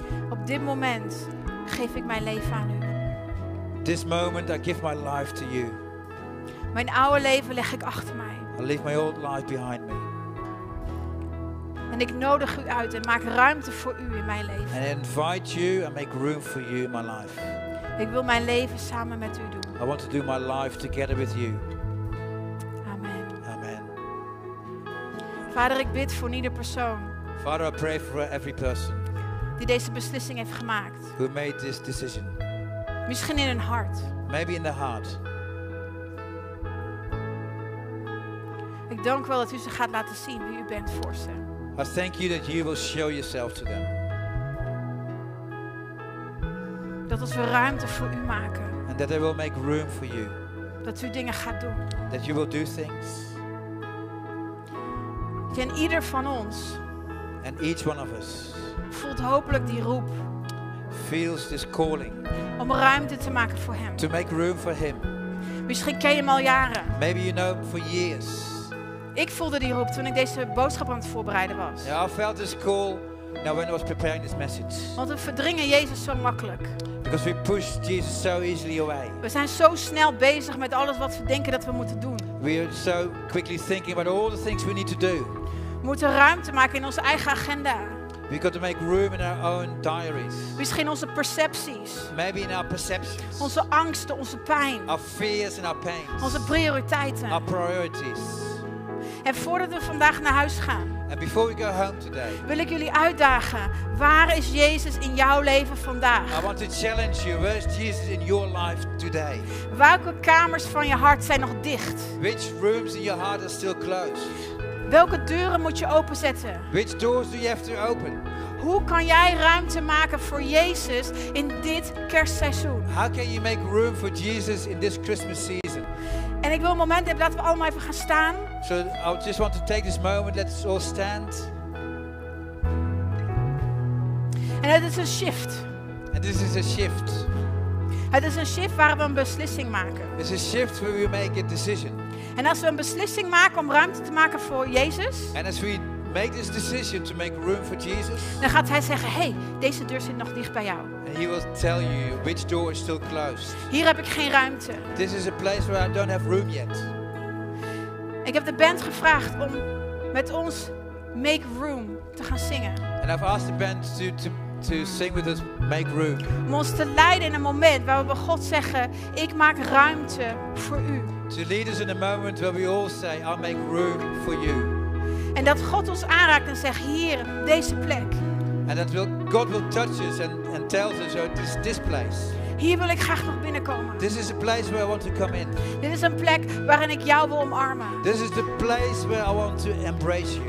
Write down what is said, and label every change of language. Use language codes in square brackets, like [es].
[nl] Op dit moment geef ik mijn leven aan u. [en] This moment I give my life to you. [nl] Mijn oude leven leg ik achter mij. [en] I leave my old life behind me. [nl] En ik nodig u uit en maak ruimte voor u in mijn leven. [en] And I invite you and make room for you in my life. [nl] Ik wil mijn leven samen met u doen. [en] I want to do my life together with you. [nl] Amen. [en] Amen. [nl] Vader, ik bid voor ieder persoon. [en] Father, I pray for every person. [nl] Die deze beslissing heeft gemaakt. [en] Who made this decision? [nl] Misschien in hun hart. [en] Maybe in the heart. [nl] Ik dank wel dat u ze gaat laten zien wie u bent voor ze. [en] I thank you that you will show yourself to them. [nl] Dat als we ruimte voor u maken. [en] And that they will make room for you. [nl] Dat u dingen gaat doen. [en] That you will do things. [nl] En ieder van ons. [en] And each one of us. [nl] Voelt hopelijk die roep. [en] Feels this calling. [nl] Om ruimte te maken voor hem. [en] To make room for him. [nl] Misschien ken je hem al jaren. [en] Maybe you know him for years. [nl] Ik voelde die roep toen ik deze boodschap aan het voorbereiden was. [en] Yeah, I felt this call now when I was preparing this message. [nl] Want we verdringen Jezus zo makkelijk. [en] Because we push Jesus so easily away. [nl] We zijn zo snel bezig met alles wat we denken dat we moeten doen. [en] We are so quickly thinking about all the things we need to do. [nl] We moeten ruimte maken in onze eigen agenda. [en] We got to make room in our own diaries. [nl] Misschien onze percepties. [en] Maybe in our perceptions. [nl] Onze angsten, onze pijn. [en] Our fears and our pains. [nl] Onze prioriteiten. [en] Our priorities. [nl] En voordat we vandaag naar huis gaan. [en] And before we go home today. [nl] Wil ik jullie uitdagen. Waar is Jezus in jouw leven vandaag? [en] I want to challenge you. Where is Jesus in your life today? [nl] Welke kamers van je hart zijn nog dicht? [en] Which rooms in your heart are still closed? [nl] Welke deuren moet je openzetten? [en] Which doors do you have to open? [nl] Hoe kan jij ruimte maken voor Jezus in dit kerstseizoen? [en] How can you make room for Jesus in this Christmas season? [nl] En ik wil een moment hebben, laten we allemaal even gaan staan. [en] So I just want to take this moment, let's all stand. [nl] En het is een shift. [en] And this is a shift. [nl] Het is een shift waar we een beslissing maken. [en] It's a shift where we make a decision. [nl] En als we een beslissing maken om ruimte te maken voor Jezus. [en] And as we make this decision to make room for Jesus. [nl] Dan gaat hij zeggen, hey, deze deur zit nog dicht bij jou. [en] And he will tell you which door is still closed. [nl] Hier heb ik geen ruimte. [en] This is a place where I don't have room yet. [nl] Ik heb de band gevraagd om met ons Make Room te gaan zingen. [en] And I've asked the band to sing with us, Make Room. [nl] Om ons te leiden in een moment waar we God zeggen, ik maak ruimte voor u. [en] To lead us in a moment where we all say, I make room for you. [nl] En dat God ons aanraakt en zegt, hier, deze plek. [en] And that God will touch us and tells us, oh, this place. [nl] Hier wil ik graag nog binnenkomen. [en] This is a place where I want to come in. [nl] Dit is een plek waarin ik jou wil omarmen. [en] This is the place where I want to embrace you.